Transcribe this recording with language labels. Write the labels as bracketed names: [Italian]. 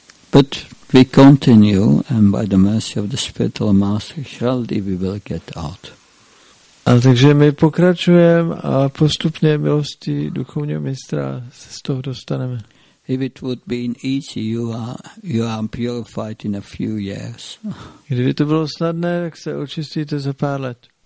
[English] But we continue and by the mercy of the spiritual master surely we will get out. [Czech] A takže my pokračujeme a postupně milosti duchovního mistra se z toho dostaneme. [English] If it would be easy, you are purified in a few years. [Czech] Kdyby to bylo snadné, tak se očistíte za pár let.